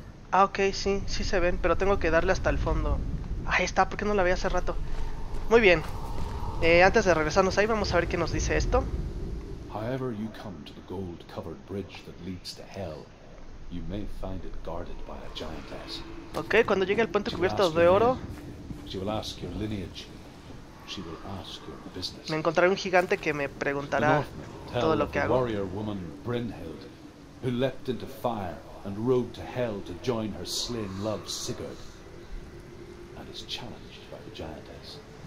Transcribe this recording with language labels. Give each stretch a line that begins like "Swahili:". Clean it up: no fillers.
Spanish: Ah, ok, sí, sí se ven, pero tengo que darle hasta el fondo. Ahí está, ¿por qué no la vi hace rato? Muy bien. Antes de regresarnos ahí, vamos a ver qué nos dice esto.
English: However you come to the gold-covered bridge that leads to hell, you may find it guarded by a giantess.
Spanish: Okay, cuando llegue al puente cubierto de oro,
English: she will ask your lineage. She will ask your business.
Spanish: Me encontraré un gigante que me preguntará todo lo que hago.
English: Warrior woman Brynhild, who leapt into fire and rode to hell to join her slain love Sigurd, and is challenged by the giantess.